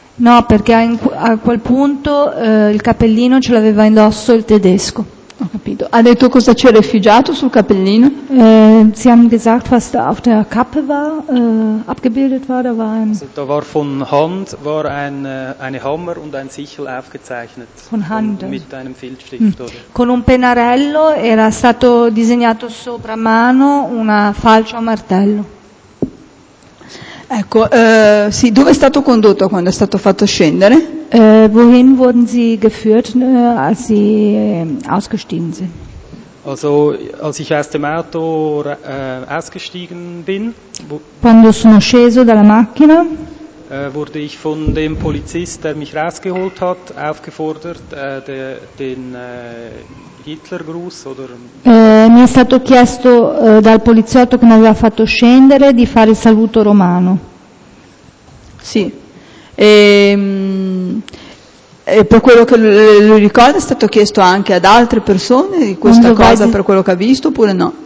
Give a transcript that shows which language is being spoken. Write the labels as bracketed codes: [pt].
[it] No, perché a quel punto il cappellino ce l'aveva indosso il tedesco. Ho capito. Ha detto cosa c'è rifugiato sul cappellino? [de] Sie haben gesagt, was da auf der Kappe war, abgebildet war, da war ein. Also, da war von Hand war eine Hammer und ein Sichel aufgezeichnet. Von Hand. Mit einem Filzstift, oder? [it] Con un pennarello era stato disegnato sopra mano una falce o martello. Ecco, sì, dove è stato condotto quando è stato fatto scendere? [de] Wohin wurden Sie geführt, als Sie ausgestiegen sind? Also, als ich aus dem Auto ausgestiegen bin. [it] Quando sono sceso dalla macchina? [de] wurde ich von dem Polizist, der mich rausgeholt hat, aufgefordert, den Hitlergruß oder [it] mi è stato chiesto dal poliziotto che mi aveva fatto scendere di fare il saluto romano. Sì. E per quello che lui ricorda è stato chiesto anche ad altre persone questa cosa per quello che ha visto oppure no?